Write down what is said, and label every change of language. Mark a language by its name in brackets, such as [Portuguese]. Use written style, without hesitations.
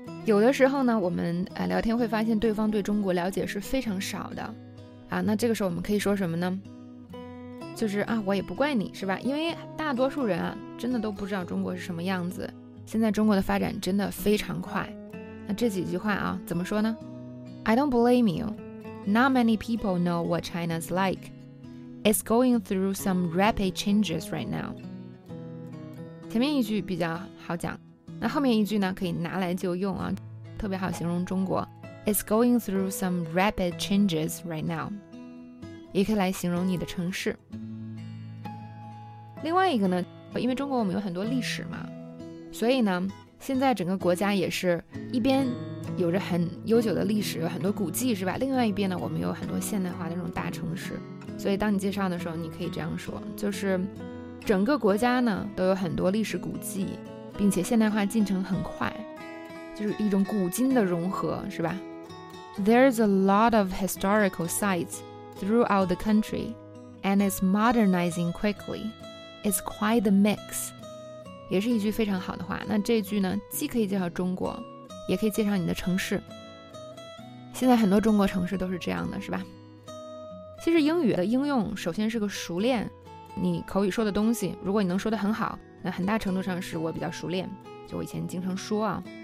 [Chinese] 有的时候呢，我们聊天会发现对方对中国了解是非常少的啊。那这个时候我们可以说什么呢？就是啊，我也不怪你是吧，因为大多数人啊，真的都不知道中国是什么样子。现在中国的发展真的非常快。那这几句话啊，怎么说呢？ [English] I don't blame you. Not many people know what China's like. It's going through some rapid changes right now. [Chinese] 前面一句比较好讲，那后面一句呢，可以拿来就用啊，特别好形容中国。 [English] It's going through some rapid changes right now. [Chinese] 也可以来形容你的城市。另外一个呢，因为中国我们有很多历史嘛，所以呢现在整个国家也是一边有着很悠久的历史，有很多古迹是吧，另外一边呢，我们有很多现代化的那种大城市。所以当你介绍的时候，你可以这样说，就是整个国家呢都有很多历史古迹，并且现代化进程很快，就是一种古今的融合是吧。 [English] There's a lot of historical sites throughout the country and it's modernizing quickly. It's quite the mix. [Chinese] 也是一句非常好的话。那这句呢，既可以介绍中国，也可以介绍你的城市。现在很多中国城市都是这样的，是吧？其实英语的应用首先是个熟练，你口语说的东西，如果你能说得很好，那很大程度上是我比较熟练，就我以前经常说啊。